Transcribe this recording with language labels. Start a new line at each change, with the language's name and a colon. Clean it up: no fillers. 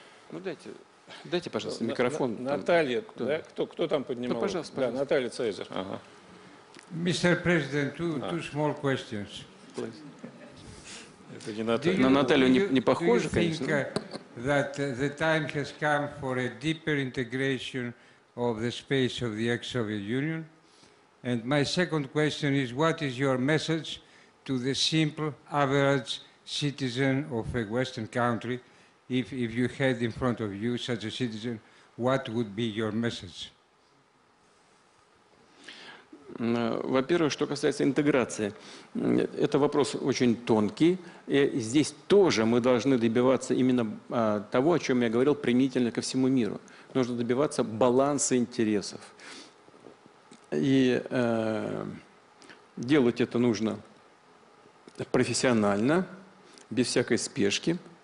Russian: Ну, дайте, пожалуйста, микрофон. Наталья, кто? Да? Кто там поднимал? Ну, пожалуйста. Да, Наталья Цезарь. Ага.
English: Mr. President, two small questions. Please.
Russian: Это не Наталью не похоже, конечно.
English: That the time has come for a deeper integration of the space of the ex-Soviet Union. And my second question is, what is your message to the simple average citizen of a Western country? If you had in front of you such a citizen, what would be your message?
Russian: Во-первых, что касается интеграции, это вопрос очень тонкий, и здесь тоже мы должны добиваться именно того, о чем я говорил, применительно ко всему миру. Нужно добиваться баланса интересов. И делать это нужно профессионально, без всякой спешки.